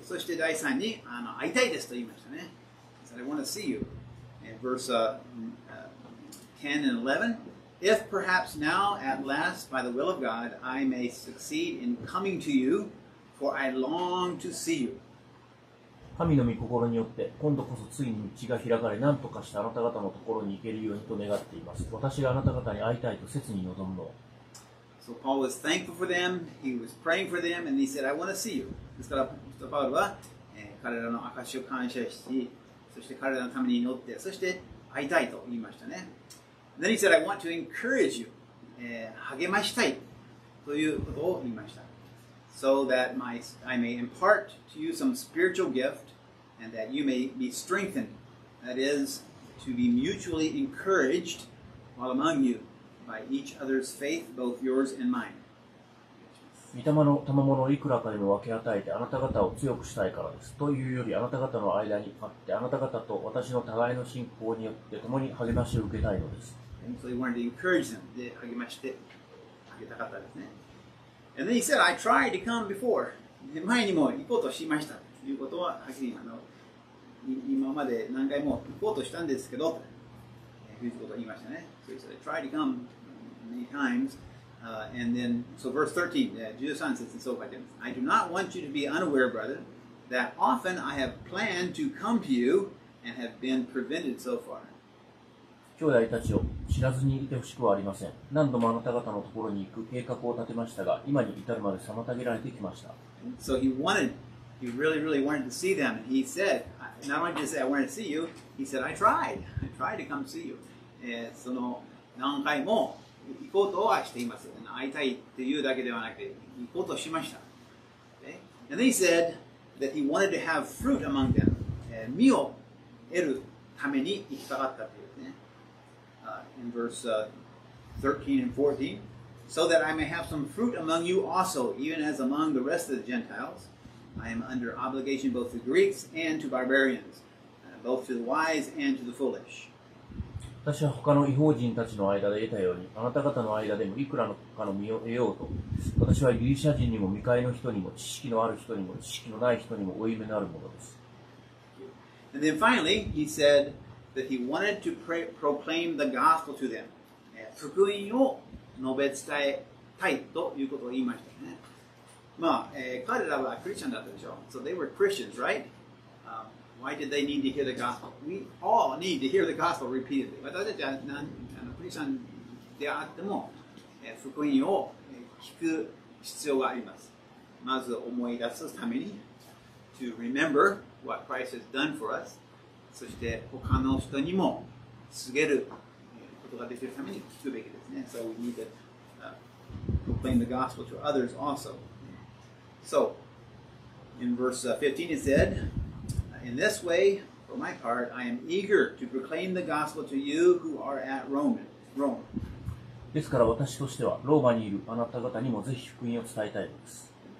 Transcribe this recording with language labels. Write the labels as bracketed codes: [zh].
[ja] そして第三に、会いたいですと言いましたね。 [en] He said, I want to see you. And verse 10 and 11, If perhaps now, at last, by the will of God, I may succeed in coming to you, for I long to see you. [ja] 神の御心によって今度こそついに道が開かれ、何とかしてあなた方のところに行けるようにと願っています。私があなた方に会いたいと切に望むの。 [en] So Paul was thankful for them. He was praying for them and he said, I want to see you. [ja] ですからパウロは、彼らの証しを感謝し、そして彼らのために祈って、そして会いたいと言いましたね。 [en] Then he said, I want to encourage you.、 [ja] 励ましたいということを言いました。 [en] So that my, I may impart to you some spiritual gift and that you may be strengthened. That is, to be mutually encouraged while among you by each other's faith, both yours and mine. [ja] 御霊の賜物をいくらかでも分け与えてあなた方を強くしたいからです。というよりあなた方の間にあってあなた方と私の互いの信仰によって共に励ましを受けたいのです。 [en] And so he wanted to encourage them. [ja] で励ましてあげたかったですね。 [en] And then he said, I tried to come before. [ja] 前にも行こうとしましたということは、はっきり今まで何回も行こうとしたんですけど、ということを言いましたね。 [en] So he said, I tried to come many times.、and then, so verse 13, [ja] 13節にそう書いてます。 [en] I do not want you to be unaware, brother, that often I have planned to come to you and have been prevented so far. [ja] 兄弟たちを知らずにいてほしくはありません。何度もあなた方のところに行く計画を立てましたが、今に至るまで妨げられてきました。 [en] So he wanted, he really, really wanted to see them. He said, not only did he say, I wanted to see you, he said, I tried to come see you.、 [ja] その何回も行こうとはしています。会いたいというだけではなくて、行こうとしました。 [en] Okay? And then he said that he wanted to have fruit among them.、 [ja] 実を得るために行きたかったという。 [en] In verse 13 and 14, so that I may have some fruit among you also, even as among the rest of the Gentiles. I am under obligation both to Greeks and to barbarians, both to the wise and to the foolish. [ja] 私は他の異邦人たちの間で得たように、あなた方の間でもいくらかの実を得ようと、私はギリシャ人にも未開の人にも、知識のある人にも、知識のない人にも、負い目のあるものです。 [en] And then finally, he said,that he wanted to pray, proclaim the gospel to them. [ja] 福音を述べ伝えたいということを言いましたね。まあ、彼らはクリスチャンだったでしょ。 [en] So they were Christians, right? Why did they need to hear the gospel? We all need to hear the gospel repeatedly. [ja] 私たちはクリスチャンであっても、福音を聞く必要があります。まず思い出すために、 [en] to remember what Christ has done for us. [ja] そして他の人にも告げることができるために聞くべきですね。 [en] So we need to proclaim the gospel to others also. So in verse 15 it said, In this way, for my part, I am eager to proclaim the gospel to you who are at Rome. [ja] ですから私としてはローマにいるあなた方にもぜひ福音を伝えたいです。